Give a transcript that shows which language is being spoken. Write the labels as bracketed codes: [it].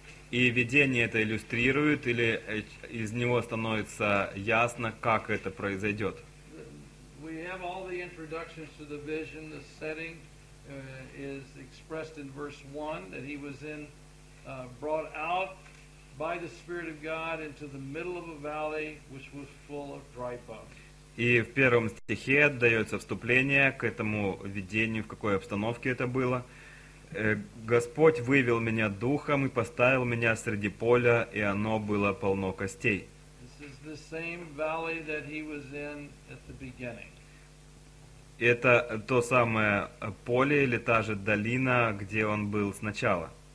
[ru] И видение это иллюстрирует, или из него становится ясно, как это произойдет. Мы имеем все [en] introductions to the vision, the setting. Is expressed in verse 1 that he was in brought out by the Spirit of God into the middle of a valley which was full of dry bones. [ru] И в первом стихе дается вступление к этому видению, в какой обстановке это было. Господь вывел меня духом и поставил меня среди поля, и оно было полно костей. [en] This is the same valley that he was in at the beginning. [ru] Это то самое поле или та же долина, где он был сначала.